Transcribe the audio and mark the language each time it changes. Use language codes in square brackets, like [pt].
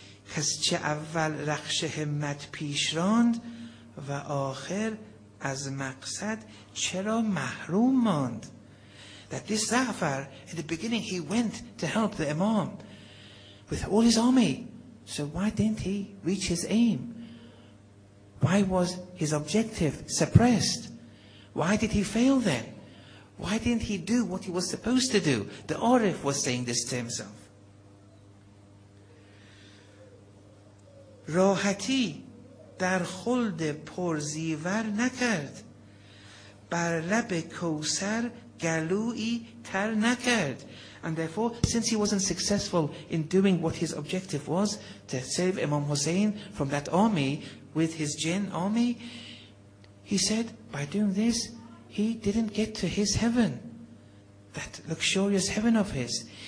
[fa] خسچه اول رخش همت پیش راند و آخر از مقصد چرا محروم ماند. [en] That this Za'far, in the beginning he went to help the Imam with all his army. So why didn't he reach his aim? Why was his objective suppressed? Why did he fail then? Why didn't he do what he was supposed to do? The Arif was saying this to himself. [fa] راحتی در خلد پرزیور نکرد، بر لب کوثر گلویی تر نکرد. [en] And therefore, since he wasn't successful in doing what his objective was, to save Imam Hussein from that army with his jinn army, he said, by doing this, he didn't get to his heaven, that luxurious heaven of his.